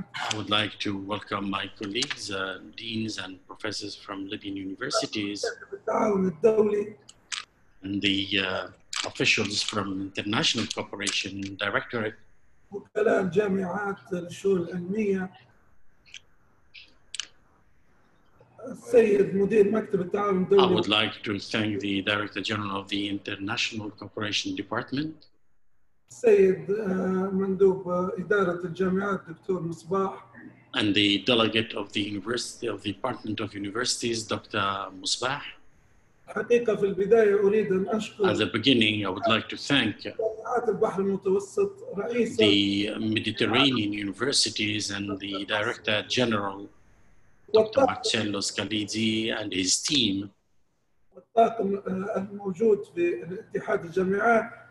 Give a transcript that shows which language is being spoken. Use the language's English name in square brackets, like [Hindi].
[English] I would like to welcome my colleagues, deans and professors from Libyan universities and the officials from international cooperation directorate I would like to thank the director general of the international cooperation department [Arabic] سيد مندوب إدارة الجامعات دكتور مصباح [English] and the delegate of the University of the Department of Universities Dr. [Arabic] مصباح حقيقة في البداية أريد أن أشكر [English] at the beginning I would like to thank [Arabic] جامعات البحر المتوسط رئيس [English] the Mediterranean Universities and the Director General Dr. Marcello Scalizi and his team [Arabic] الطاقم الموجود في اتحاد الجامعات